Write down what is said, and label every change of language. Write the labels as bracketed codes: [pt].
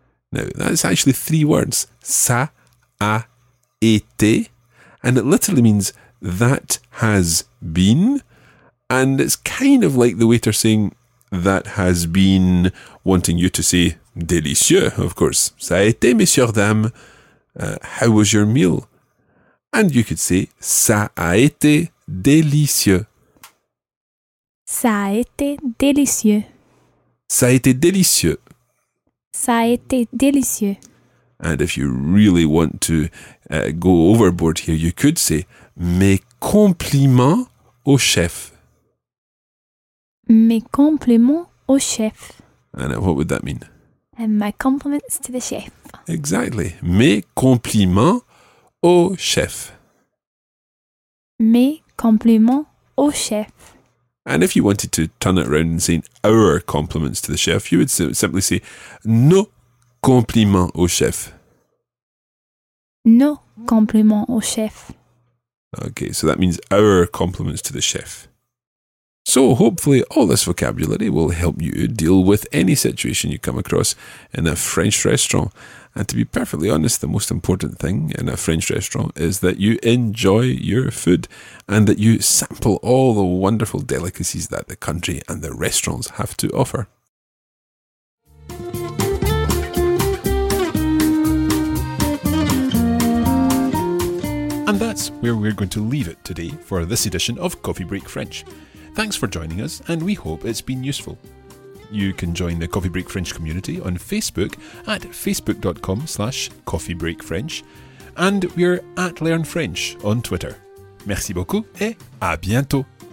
[en] Now, that's actually three words. [fr] Ça a été. [en] And it literally means, that has been. And it's kind of like the waiter saying, that has been, wanting you to say, délicieux, of course. [fr] Ça a été, messieurs, dames. [en] How was your meal? And you could say, [fr] ça a été délicieux. Ça a été délicieux. Ça a été délicieux. Ça a été délicieux. [en] And if you really want to go overboard here, you could say, [fr] mes compliments au chef. Mes compliments au chef. [en] And what would that mean? And my compliments to the chef. Exactly. [fr] Mes compliments au chef. Mes compliments au chef. [en] And if you wanted to turn it around and say our compliments to the chef, you would simply say [fr] nos compliments au chef. Nos compliments au chef. [en] Okay, so that means our compliments to the chef. So hopefully all this vocabulary will help you deal with any situation you come across in a French restaurant. And to be perfectly honest, the most important thing in a French restaurant is that you enjoy your food and that you sample all the wonderful delicacies that the country and the restaurants have to offer. And that's where we're going to leave it today for this edition of Coffee Break French. Thanks for joining us, and we hope it's been useful. You can join the Coffee Break French community on Facebook at facebook.com/coffeebreakfrench, and we're at Learn French on Twitter. [fr] Merci beaucoup et à bientôt.